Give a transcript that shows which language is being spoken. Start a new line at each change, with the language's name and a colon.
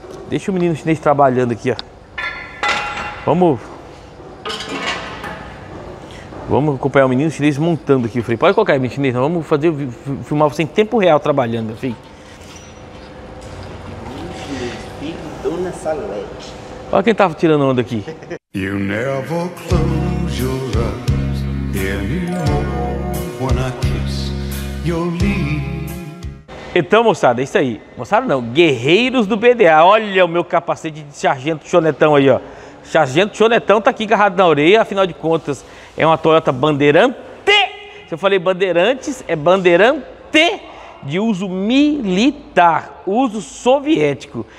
Portuguese: Deixa o menino chinês trabalhando aqui, ó. Vamos acompanhar o menino chinês montando aqui o freio. Pode colocar aí, menino chinês. Nós vamos fazer, filmar você em tempo real trabalhando, meu filho. Olha quem tava tirando onda aqui.
English: You never close your eyes anymore when I kiss your lips.
Portuguese: Então, moçada, é isso aí. Moçada não, guerreiros do BDA. Olha o meu capacete de sargento chonetão aí, ó. Sargento chonetão tá aqui agarrado na orelha. Afinal de contas, é uma Toyota Bandeirante. Se eu falei Bandeirantes, é Bandeirante. De uso militar, uso soviético.